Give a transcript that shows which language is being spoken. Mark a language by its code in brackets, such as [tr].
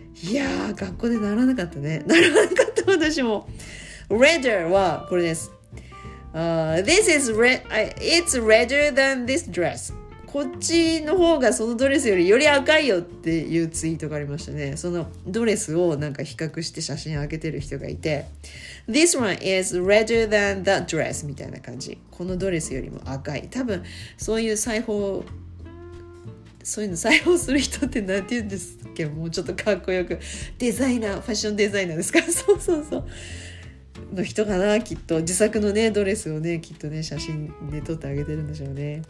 [ja] いやー、学校で習わなかったね。習わなかった私も。Redder はこれです。 [en] This is red, it's redder than this dress. [ja] こっちの方がそのドレスよりより赤いよっていうツイートがありましたね。そのドレスをなんか比較して写真を上げてる人がいて。 [en] This one is redder than that dress [ja] みたいな感じ。このドレスよりも赤い。多分そういう裁縫、そういうの裁縫する人ってなんて言うんですっけ、もうちょっとかっこよく、デザイナー、ファッションデザイナーですか、そうそうそうの人かな、きっと自作のねドレスをねきっとね写真で撮ってあげてるんでしょうね。